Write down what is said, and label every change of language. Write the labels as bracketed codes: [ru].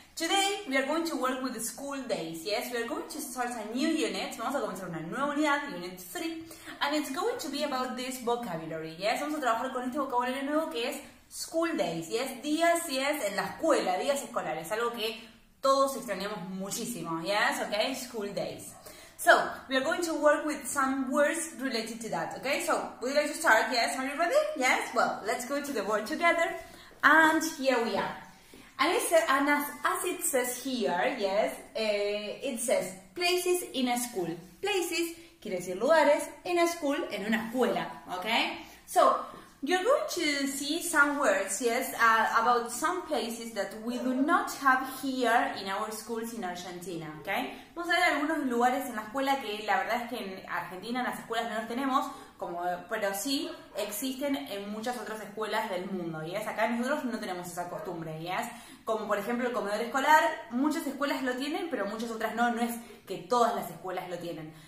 [en] Today, we are going to work with the school days. Yes, we are going to start a new unit. [es] Vamos a comenzar una nueva unidad, [en] unit 3. And it's going to be about this vocabulary. [es] Yes, vamos a trabajar con este vocabulario nuevo que es school days. Yes, días, yes, en la escuela, días escolares. Algo que todos extrañamos muchísimo. Yes, okay, school days. [en] So, we are going to work with some words related to that, okay? So, would you like to start? Yes, are you ready? Yes? Well, let's go to the word together. And here we are. And it says, and as it says here, yes, it says places in a school. [es] Places, quiere decir lugares, [en] in a school, [es] en una escuela, okay? [en] So, you're going to see some words, yes, about some places that we do not have here in our schools in Argentina, okay? [es] Vamos a ver algunos lugares en la escuela que la verdad es que en Argentina en las escuelas no los tenemos, como, pero sí existen en muchas otras escuelas del mundo, yes? Acá nosotros no tenemos esa costumbre, yes? Como por ejemplo el comedor escolar, muchas escuelas lo tienen, pero muchas otras no, no es que todas las escuelas lo tienen.